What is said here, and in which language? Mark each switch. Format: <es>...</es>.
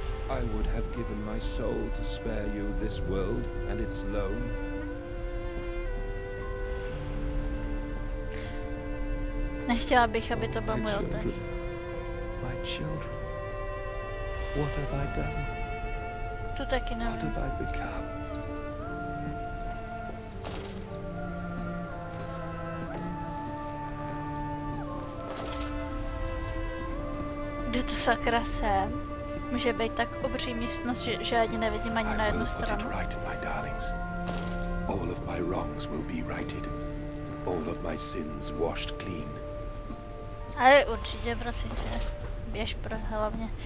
<en>I would have given my soul to spare you this world and its loan.</en> <cs>Nechtěla bych, aby to byl můj otec.</cs> <en>My children. What have I done?</en> <cs>To taky nevím.</cs> <en>What have I become?</en> <cs>Kde to sakra jsem? Může být tak obří místnost, že ani nevidím ani na jednu stranu.</cs> <en>Right, my darlings. All of my wrongs will be righted. All of my sins washed clean.</en> <cs>Ale určitě, prosím tě, běž pro hlavně.</cs>